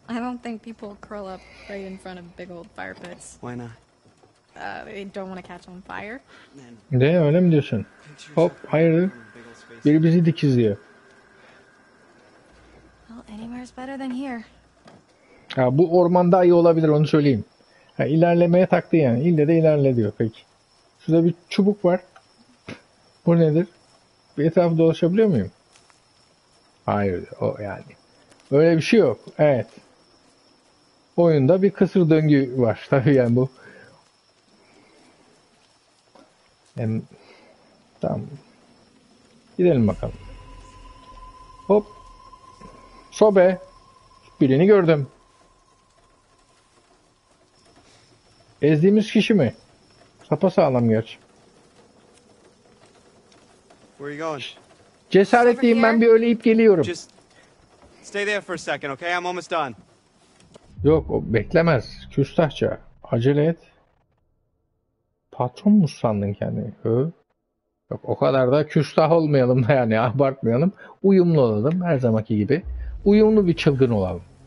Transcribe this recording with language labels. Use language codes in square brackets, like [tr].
[en] I don't think people curl up right in front of big old fire pits. Why not? They don't want to catch on fire. [tr] Ne, öyle mi diyorsun? Hop, hayırdır? Biri bizi dikizliyor. [en] Well, anywhere's better than here. [tr] Ha, bu ormanda ayı olabilir, onu söyleyeyim. Ha, ilerlemeye taktı yani. İlle de ilerle diyor peki. Şurada bir çubuk var. Bu nedir? Bir etrafı dolaşabiliyor muyum? Hayır, o yani. Öyle bir şey yok. Evet. Oyunda bir kısır döngü var. Tabii yani bu. Yani, tamam. Gidelim bakalım. Hop. Sobe. Birini gördüm. Ezdiğimiz kişi mi? Sapasağlam gerçi. [en] Where are you going? [tr] Cesaretliyim, ben bir öyle ip geliyorum. [en] Just stay there for a second, okay? I'm almost done. [tr] Yok, o beklemez. Küstahça. Acele et. Patron mu sandın kendini? Hı? Yok, o kadar da küstah olmayalım da yani, abartmayalım. Uyumlu olalım her zamanki gibi. Uyumlu bir çılgın olalım.